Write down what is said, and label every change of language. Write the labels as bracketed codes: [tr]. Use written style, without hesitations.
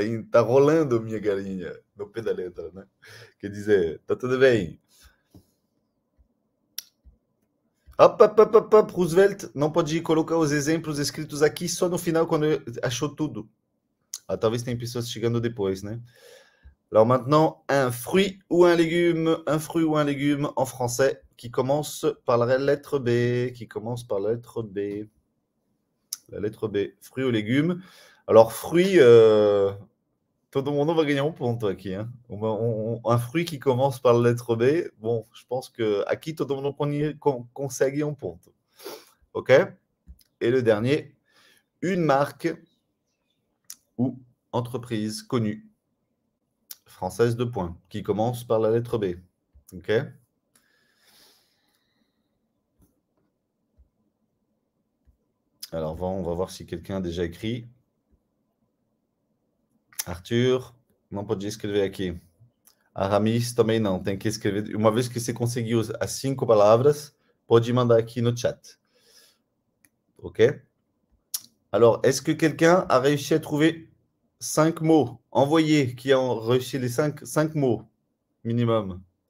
[pt] Tá rolando, minha galinha. No pé da letra, né? Quer dizer, tá tudo bem. Opa, Roosevelt, não pode colocar os exemplos escritos aqui só no final, quando achou tudo. Ah, talvez tenha pessoas chegando depois, né? [fr] Alors maintenant, un fruit ou un légume en français qui commence par la lettre B, qui commence par la lettre B. La lettre B, fruit ou légume. Alors fruit, tout le monde va gagner un point ici. Hein. Un fruit qui commence par la lettre B, bon, je pense que ici, tout le monde consegue un point. OK? Et le dernier, une marque ou entreprise connue. Française de points, qui commence par la lettre B. OK? Alors, on va voir si quelqu'un a déjà écrit. [pt] Arthur, não pode escrever aqui. Aramis, também não. Tem que escrever. Uma vez que você conseguiu as 5 palavras, pode mandar aqui no chat. OK? [fr] Alors, est-ce que quelqu'un a réussi à trouver 5 mots envoyés qui ont réussi les cinq mots minimum.